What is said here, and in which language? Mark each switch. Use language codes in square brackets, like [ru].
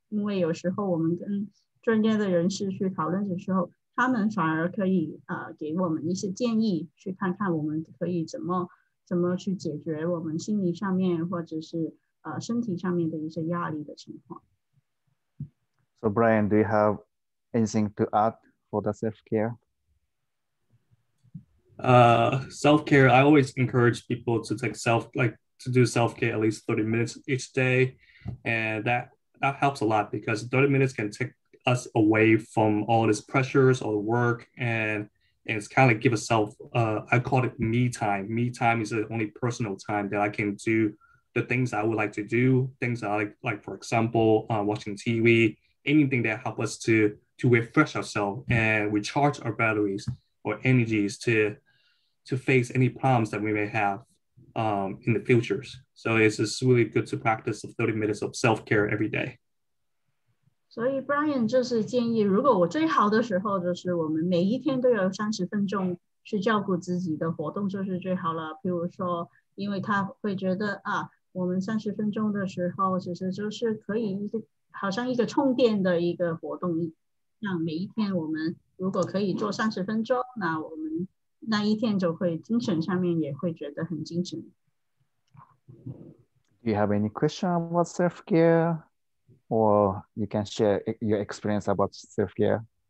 [zh] 因为有时候我们跟专业的人士去讨论的时候，他们反而可以给我们一些建议，去看看我们可以怎么去解决我们心理上面或者是身体上面的一些压力的情况。 [en] So Brian, do you have anything to add for the self-care? Self-care, I always encourage people to take to do self-care at least 30 minutes each day, and that helps a lot because 30 minutes can take us away from all these pressures or work, and it's kind of like give yourself, I call it me time. Me time is the only personal time that I can do the things I would like to do, things that I like for example, watching TV, anything that helps us to refresh ourselves and recharge our batteries or energies to face any problems that we may have. in the futures. So it's just really good to practice 30 minutes of self-care every day. [zh] 所以 Brian 就是建议，如果我最好的时候，就是我们每一天都有 30分钟去照顾自己的活动，就是最好了。譬如说，因为他会觉得啊，我们 30分钟的时候，其实就是可以好像一个充电的一个活动，让每一天我们如果可以做 30分钟，那我们那一天就会精神上面也会觉得很精神。 [en] Do you have any question about self-care? Or you can share your experience about self-care.